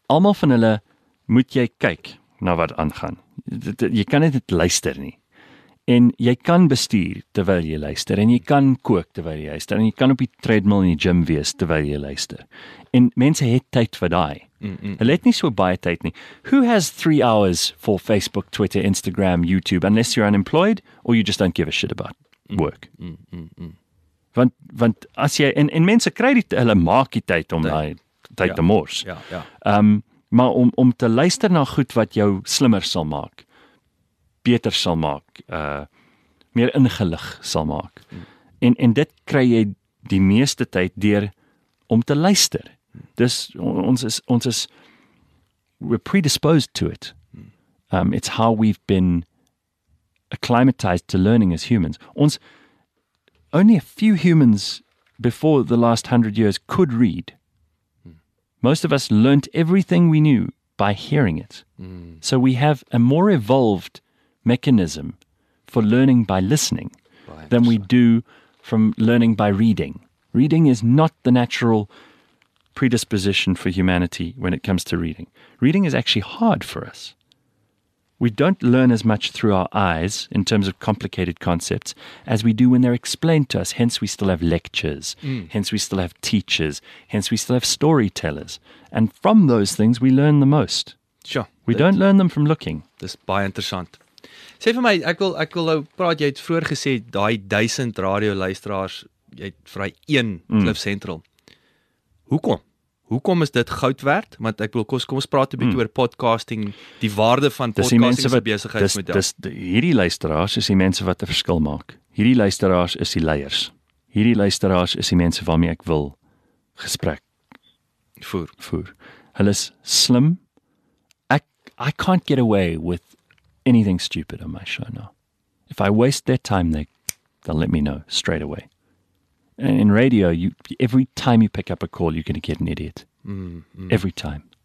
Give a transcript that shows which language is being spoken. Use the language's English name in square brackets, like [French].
[Afrikaans] Almal van hulle moet jy kyk na wat aangaan. Jy kan net luister nie. En jy kan bestuur terwyl jy luister en jy kan kook terwyl jy luister en jy kan op die treadmill in die gym wees terwyl jy luister. En mense het tyd vir daai. Hulle het nie so baie tyd nie. [English] Who has 3 hours for Facebook, Twitter, Instagram, YouTube unless you're unemployed or you just don't give a shit about work? [Afrikaans] Want as jy, en mense kry dit, hulle maak die tyd om daai tyd te mors. Maar om te luister na goed wat jou slimmer sal maak, beter sal maak, meer ingelig sal maak. En dit kry jy die meeste tyd deur om te luister. Dus ons is, [English] we're predisposed to it. It's how we've been acclimatized to learning as humans. Ons, only a few humans before the last 100 years could read. Most of us learnt everything we knew by hearing it. So we have a more evolved mechanism for learning by listening than we do from learning by reading. Reading is not the natural predisposition for humanity when it comes to reading. Reading is actually hard for us. We don't learn as much through our eyes in terms of complicated concepts as we do when they're explained to us. Hence, we still have lectures. Hence, we still have teachers. Hence, we still have storytellers. And from those things, we learn the most. Sure. We don't learn them from looking. [Afrikaans] Dis baie interessant. Sê vir my, ek wil nou praat, jy het vroeger gesê, daai 1000 radio luisteraars, jy het vir daai 1 Klif Central. Hoekom? Hoekom is dit goud werd? Want ek wil, kom ons praat 'n bietjie oor podcasting, die waarde van podcasting as 'n besigheidsmodel. Hierdie luisteraars is die mense wat 'n verskil maak. Hierdie luisteraars is die leiers. Hierdie luisteraars is die mense waarmee ek wil gesprek voer. Hulle is slim. [English] I can't get away with anything stupid on my show now. If I waste their time, they'll let me know straight away. And in radio, every time you pick up a call, you're going to get an idiot. Every time.